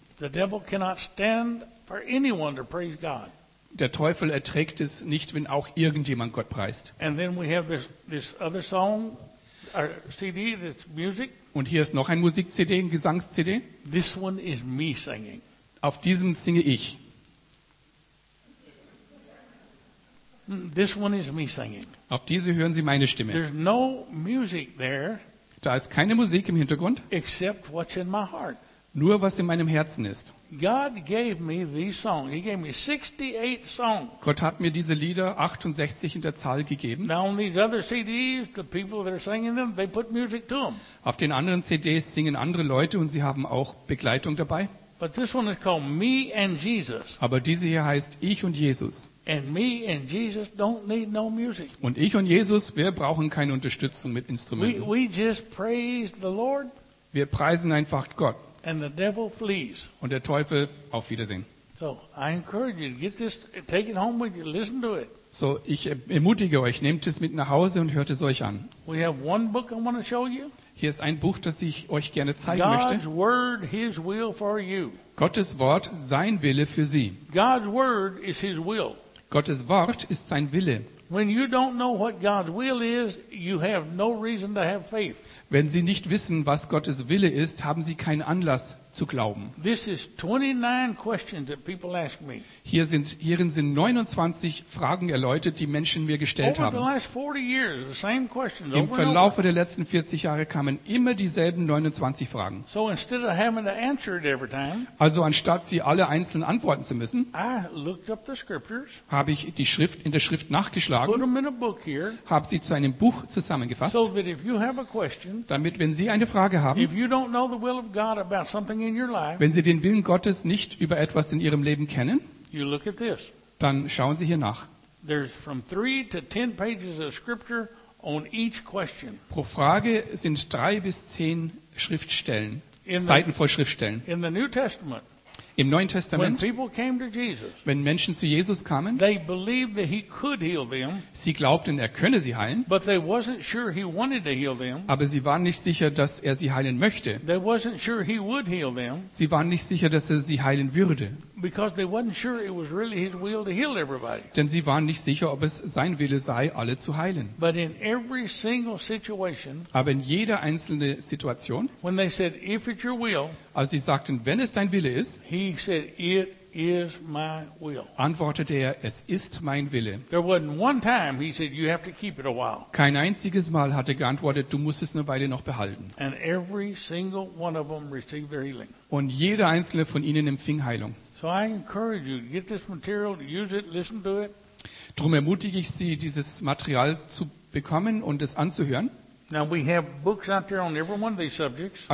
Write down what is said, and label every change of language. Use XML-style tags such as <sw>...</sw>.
<en>The devil cannot stand for anyone to praise God.</en> <de>Der Teufel erträgt es nicht, wenn auch irgendjemand Gott preist.</de> <en>And then we have this other song, or CD, that's music.</en> <de>Und hier ist noch ein Musik-CD, ein Gesangs-CD.</de> <en>This one is me singing.</en> <de>Auf diesem singe ich.</de> <en>This one is me singing.</en> <de>Auf diese hören Sie meine Stimme.</de> <en>There's no music there.</en> <de>Da ist keine Musik im Hintergrund.</de> <en>Except what's in my heart.</en> <de>Nur was in meinem Herzen ist.</de> <en>God gave me these songs. He gave me 68 songs.</en> <de>Gott hat mir diese Lieder 68 in der Zahl gegeben.</de> <en>Now on these other CDs, the people that are singing them, they put music to them.</en> <de>Auf den anderen CDs singen andere Leute und sie haben auch Begleitung dabei.</de> <en>But this one is called Me and Jesus.</en> <de>Aber diese hier heißt Ich und Jesus.</de> <en>And me and Jesus don't need no music.</en> <de>Und ich und Jesus, wir brauchen keine Unterstützung mit Instrumenten.</de> <en>We just praise the Lord.</en> <de>Wir preisen einfach Gott.</de> <en>And the devil flees.</en> <de>Und der Teufel, auf Wiedersehen.</de> <en>So, I encourage you to get this, take it home with you, listen to it.</en> <de>So, ich ermutige euch, nehmt es mit nach Hause und hört es euch an.</de> <en>We have one book I want to show you.</en> <de>Hier ist ein Buch, das ich euch gerne zeigen möchte.</de> <en>God's word, his will for you.</en> <de>Gottes Wort, sein Wille für Sie.</de> <en>God's word is his will.</en> <de>Gottes Wort ist sein Wille.</de> <en>When you don't know what God's will is, you have no reason to have faith.</en> <de>Wenn Sie nicht wissen, was Gottes Wille ist, haben Sie keinen Anlass zu glauben.</de> <en>This is 29 questions that people ask me.</en> <de>Hierin sind 29 Fragen erläutert, die Menschen mir gestellt haben.</de> <en>Over the last 40 years, the same questions.</en> <de>Im Verlauf der letzten 40 Jahre kamen immer dieselben 29 Fragen.</de> <en>So instead of having to answer it every time,</en> <de>also anstatt sie alle einzeln antworten zu müssen,</de> <en>I looked up the scriptures,</en> <de>habe ich die Schrift in der Schrift nachgeschlagen,</de> <en>put them in a book here,</en> <de>habe sie zu einem Buch zusammengefasst,</de> <en>so that if you have a question,</en> <de>damit wenn Sie eine Frage haben,</de> <en>if you don't know the will of God about something,</en> <de>wenn Sie den Willen Gottes nicht über etwas in Ihrem Leben kennen,</de> <en>you look at this.</en> <de>Dann schauen Sie hier nach.</de> <en>There's from 3 to 10 pages of scripture on each question.</en> <de>Pro Frage sind 3 bis 10 Schriftstellen, Seiten voll Schriftstellen.</de> <en>In the New Testament,</en> <de>im Neuen Testament,</de> <en>when people came to Jesus,</en> <de>wenn Menschen zu Jesus kamen,</de> <en>they believed that he could heal them,</en> <de>sie glaubten, er könne sie heilen,</de> <en>but they wasn't sure he wanted to heal them,</en> <de>aber sie waren nicht sicher, dass er sie heilen möchte.</de> <en>They wasn't sure he would heal them,</en> <de>sie waren nicht sicher, dass er sie heilen würde.</de> <en>Because they wasn't sure it was really his will to heal everybody.</en> <de>Denn sie waren nicht sicher, ob es sein Wille sei, alle zu heilen.</de> <en>But in every single situation,</en> <de>aber in jeder einzelnen Situation,</de> <en>when they said, if it's your will,</en> <de>als sie sagten, wenn es dein Wille ist,</de> <en>he said, it is my will.</en> <de>Antwortete er, es ist mein Wille.</de> <en>There wasn't one time he said, you have to keep it a while.</en> <de>Kein einziges Mal hat er geantwortet, du musst es eine Weile noch behalten.</de> <en>And every single one of them received their healing.</en> <de>Und jeder einzelne von ihnen empfing Heilung.</de> <en>So I encourage you, get this material, use it, listen to it.</en> <de>Drum ermutige ich Sie, dieses Material zu bekommen und es anzuhören.</de> <en>Now we have books out there on every one of these subjects.</en>